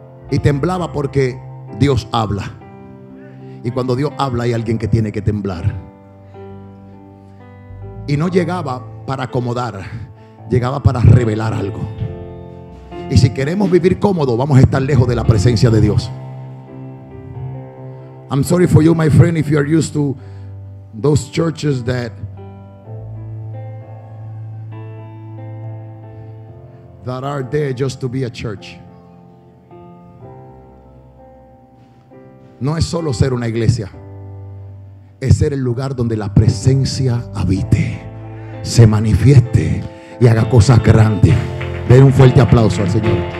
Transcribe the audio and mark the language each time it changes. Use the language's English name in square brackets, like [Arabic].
[Spanish] Y temblaba porque Dios habla. Y cuando Dios habla, hay alguien que tiene que temblar. Y no llegaba para acomodar, llegaba para revelar algo. Y si queremos vivir cómodo, vamos a estar lejos de la presencia de Dios. [English] I'm sorry for you, my friend, if you are used to those churches that are there just to be a church. [Spanish] No es solo ser una iglesia, es ser el lugar donde la presencia habite, se manifieste y haga cosas grandes. Den un fuerte aplauso al Señor.